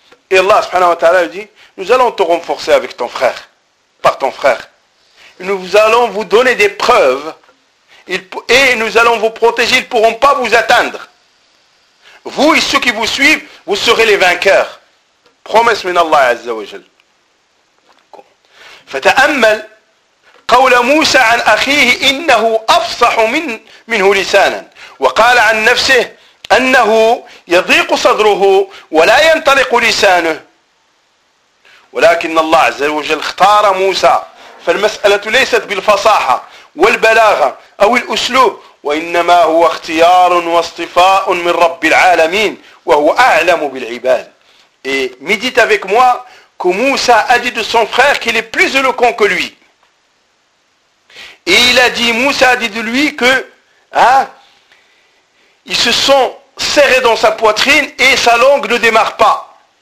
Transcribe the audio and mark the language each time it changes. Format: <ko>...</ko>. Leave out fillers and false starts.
<fr>Et Allah subhanahu wa ta'ala dit, nous allons te renforcer avec ton frère, par ton frère. Et nous allons vous donner des preuves et nous allons vous protéger, ils ne pourront pas vous atteindre. Vous et ceux qui vous suivent, vous serez les vainqueurs. Promesse</fr> <ar>min Allah azza wa jal. فتأمل قول موسى عن أخيه إنه أفصح منه لسانا وقال عن نفسه أنه يضيق صدره ولا ينطلق لسانه ولكن الله عز وجل اختار موسى فالمسألة ليست بالفصاحة والبلاغة أو الأسلوب وإنما هو اختيار واصطفاء من رب العالمين وهو أعلم بالعباد.</ar> <fr>ميديت avec moi que Moussa a dit de son frère qu'il est plus éloquent que lui. Et il a dit, Moussa a dit de lui que, hein, ils se sont serrés dans sa poitrine et sa langue ne démarre pas.</fr>